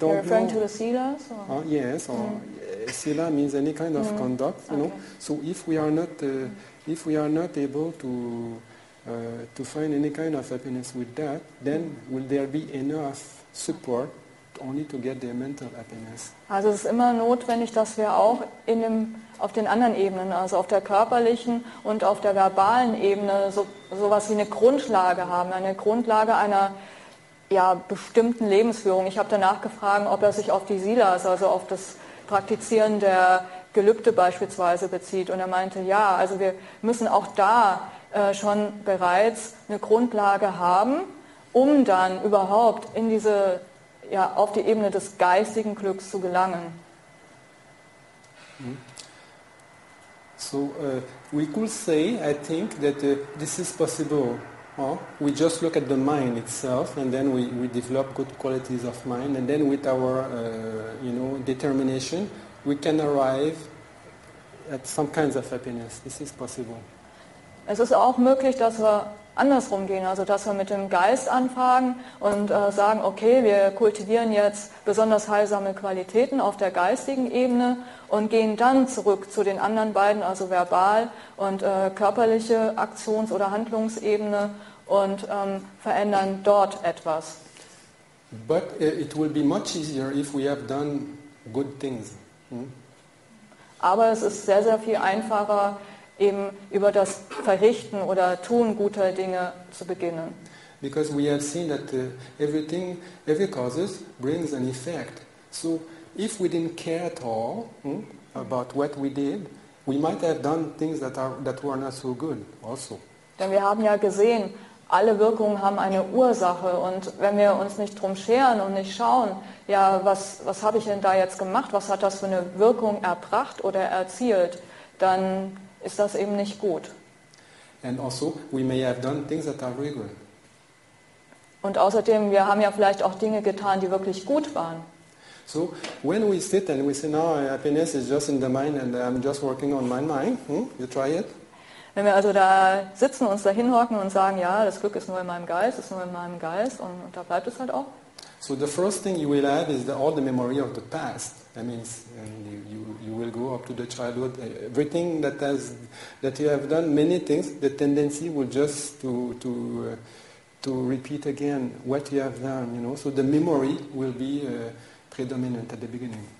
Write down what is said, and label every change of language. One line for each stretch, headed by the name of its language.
English: know. You're referring to the silas? Yes. Or, sila means any kind of conduct, you know. So if we are not, if we are not able to find any kind of happiness with that, then will there be enough support only to get their mental happiness?
German: Also, es ist immer notwendig, dass wir auch in dem, auf den anderen Ebenen, also auf der körperlichen und auf der verbalen Ebene, sowas wie eine Grundlage haben, eine Grundlage einer bestimmten Lebensführung. Ich habe danach gefragt, ob er sich auf die Silas, also auf das Praktizieren der Gelübde beispielsweise bezieht. Und er meinte, ja, also wir müssen auch da schon bereits eine Grundlage haben, um dann überhaupt in diese, ja, auf die Ebene des geistigen Glücks zu gelangen.
English: So, we could say, I think, that this is possible. Huh? We just look at the mind itself, and then we develop good qualities of mind, and then with our determination, we can arrive at some kinds of happiness. This is possible.
German: Es ist auch möglich, dass wir andersrum gehen, also dass wir mit dem Geist anfangen und sagen, okay, wir kultivieren jetzt besonders heilsame Qualitäten auf der geistigen Ebene und gehen dann zurück zu den anderen beiden, also verbal und körperliche Aktions- oder Handlungsebene und verändern dort etwas.
English: But it will be much easier if we have done good things.
German: Aber es ist sehr, sehr viel einfacher, eben über das Verrichten oder Tun guter Dinge zu beginnen.
English: Because we have seen that everything, every causes brings an effect. So if we didn't care at all about what we did, we might have done things that were not so good also.
German: Denn wir haben ja gesehen, alle Wirkungen haben eine Ursache. Und wenn wir uns nicht drum scheren und nicht schauen, ja, was habe ich denn da jetzt gemacht? Was hat das für eine Wirkung erbracht oder erzielt? Dann ist das eben nicht gut.
English: And also, we may have done things that are really good.
German: Und außerdem, wir haben ja vielleicht auch Dinge getan, die wirklich gut waren.
English: So, when we sit and we say, no, happiness is just in the mind and I'm just working on my mind, you try it.
German: Wenn wir also da sitzen, uns da hinhocken und sagen, ja, das Glück ist nur in meinem Geist, ist nur in meinem Geist, und da bleibt es halt auch.
English: So the first thing you will have is all the memory of the past. That means you will go up to the childhood. Everything that you have done, many things, the tendency will just to repeat again what you have done. You know, so the memory will be predominant at the beginning.